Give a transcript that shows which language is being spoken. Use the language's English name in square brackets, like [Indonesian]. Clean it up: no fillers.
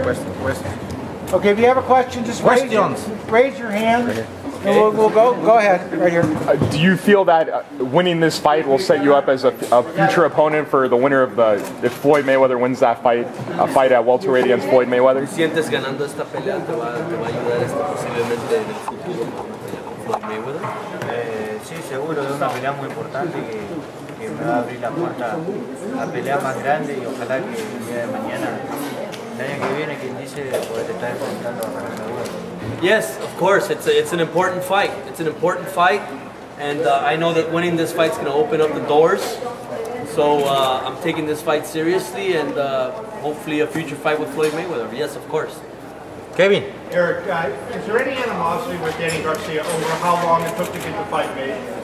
[English] Questions. Okay, if you have a question, just raise your hand. Okay. We'll go ahead, right here. Do you feel that winning this fight will set you up as a future opponent for the winner of the, if Floyd Mayweather wins that fight, a fight at welterweight against Floyd Mayweather? [Spanish] ¿Te sientes ganando esta pelea? ¿Te va a ayudar esto posiblemente en el futuro con Floyd Mayweather? Sí, seguro, es una pelea muy importante que me va a abrir la puerta a pelea más grande y ojalá que el día de mañana, el año que viene, quien dice, poder estar enfrentando a la pelea. [English] Yes, of course. It's an important fight. It's an important fight, and I know that winning this fight is going to open up the doors. So I'm taking this fight seriously, and hopefully a future fight with Floyd Mayweather. Yes, of course. Kevin. Eric, is there any animosity with Danny Garcia over how long it took to get the fight made?